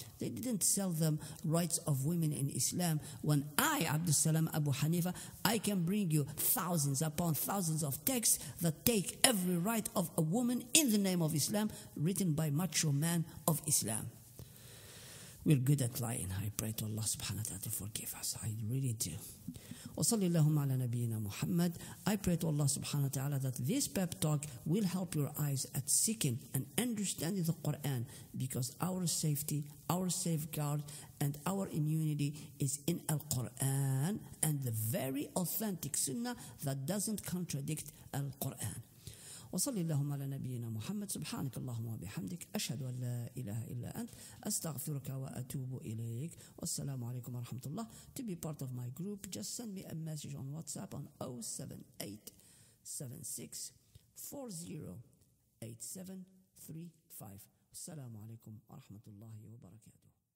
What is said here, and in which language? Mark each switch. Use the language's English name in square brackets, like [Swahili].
[English] They didn't sell them rights of women in Islam. When I, Abdus Salam Abu Hanifa, I can bring you thousands upon thousands of texts that take every right of a woman in the name of Islam, written by macho man of Islam. We're good at lying. I pray to Allah subhanahu wa ta'ala to forgive us. I really do. [Arabic] وصلي اللهم على نبينا محمد. [English] I pray to Allah subhanahu wa ta'ala that this pep talk will help your eyes at seeking and understanding the Quran, because our safety, our safeguard, and our immunity is in Al-Quran and the very authentic sunnah that doesn't contradict Al-Quran. [Arabic] وصلي اللهم على نبينا محمد سبحانك اللهم وبحمدك أشهد أن لا إله إلا أنت أستغفرك وأتوب إليك والسلام عليكم ورحمة الله. [English] To be part of my group, just send me a message on WhatsApp on 0787640-8735. [Arabic] السلام عليكم ورحمة الله وبركاته.